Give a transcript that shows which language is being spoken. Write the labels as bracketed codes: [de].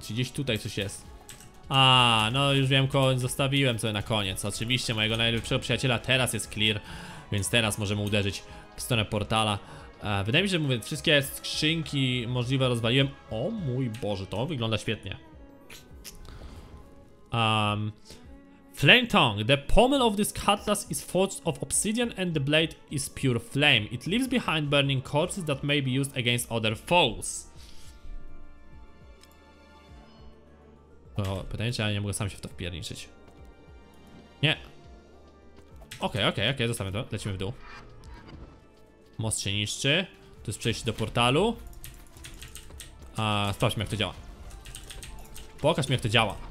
[pl] Czy gdzieś tutaj coś jest? A, no już wiem, koń zostawiłem sobie na koniec. Oczywiście, mojego najlepszego przyjaciela teraz jest clear, więc teraz możemy uderzyć w stronę portala. Wydaje mi się, że mówię, wszystkie skrzynki możliwe rozwaliłem. O mój Boże, to wygląda świetnie. [en] Flame Tongue. The pommel of this cutlass is forged of obsidian and the blade is pure flame. It leaves behind burning corpses that may be used against other foes. [pl] Pytanie, czy ja nie mogę sam się w to wpierniczyć. Nie. Okej, okej, okej, zostawiam to. Lecimy w dół. Most się niszczy. To jest przejście do portalu. A sprawdźmy, jak to działa. Pokaż mi, jak to działa.